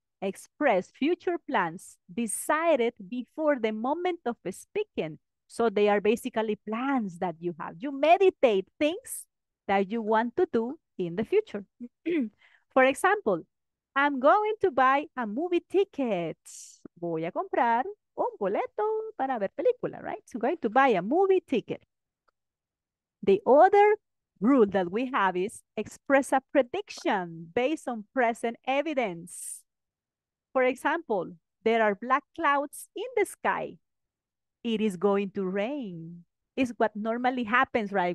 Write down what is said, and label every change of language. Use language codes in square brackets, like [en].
[en] Express future plans decided before the moment of speaking. So they are basically plans that you have. You meditate things that you want to do in the future. For example, I'm going to buy a movie ticket. [es] Voy a comprar un boleto para ver película, right? [en] So I'm going to buy a movie ticket. The other rule that we have is express a prediction based on present evidence. For example, there are black clouds in the sky. It is going to rain. It's what normally happens, right?